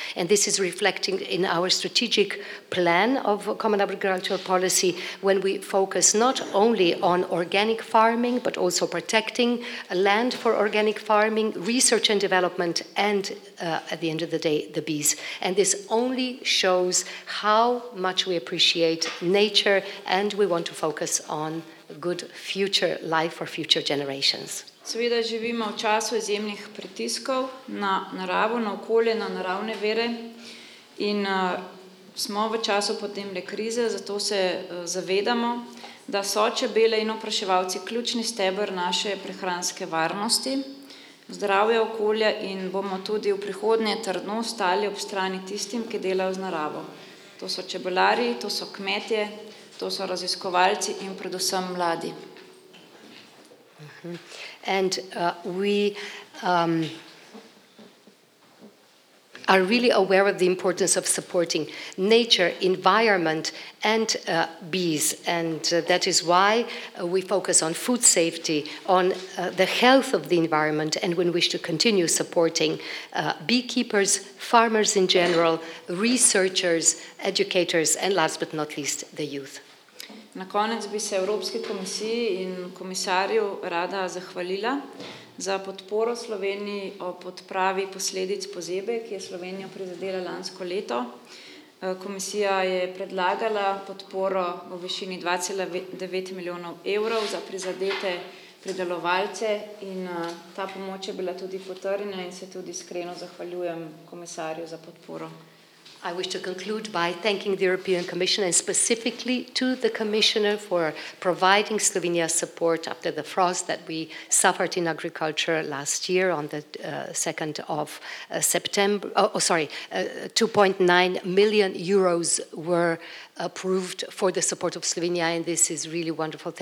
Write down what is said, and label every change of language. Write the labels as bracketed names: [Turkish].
[English] And this is reflecting in our strategic plan of common agricultural policy, when we focus not only on organic farming, but also protecting land for organic farming, research and development, and at the end of the day, the bees. And this only shows how much we appreciate nature and we want to focus on good future life for future generations. [Slovenian] Seveda živimo v času izjemnih pritiskov na naravo, na okolje, na naravne vire in smo v času podnebne krize, zato se zavedamo, da so čebele in opraševalci ključni steber naše prehranske varnosti, zdravja okolja in bomo tudi v prihodnje trdno stali ob strani tistim, ki delajo z naravo. To so čebelari, to so kmetje, to so raziskovalci in predvsem mladi. [English] And we are really aware of the importance of supporting nature, environment and bees. And that is why we focus on food safety, on the health of the environment and we wish to continue supporting beekeepers, farmers in general, researchers, educators and last but not least the youth. [Slovenian] Na konec bi se Evropski komisiji in komisarju rada zahvalila za podporo Sloveniji o odpravi posledic pozebe, ki je Slovenijo prizadela lansko leto. Komisija je predlagala podporo v višini 2,9 milijonov evrov za prizadete pridelovalce in ta pomoč je bila tudi potrjena in se tudi iskreno zahvaljujem komisarju za podporo. [English] I wish to conclude by thanking the European Commission and specifically to the Commissioner for providing Slovenia support after the frost that we suffered in agriculture last year on the 2nd of September. Oh, sorry, 2.9 million euros were approved for the support of Slovenia, and this is really wonderful.